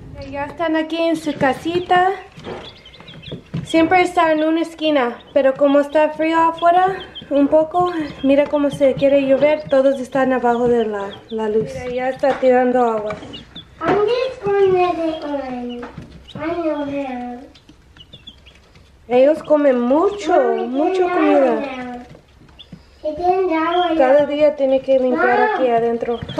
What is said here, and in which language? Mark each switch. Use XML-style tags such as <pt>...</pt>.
<es>Ya están aquí en su casita. Siempre está en una esquina, pero como está frío afuera, un poco, mira cómo se quiere llover, todos están abajo de la luz. Mira, ya está tirando agua.</es> <en>I'm going to turn it on. I know them.</en> <es>Ellos comen mucho, mucho comida. Cada día tiene que limpiar aquí adentro.</es>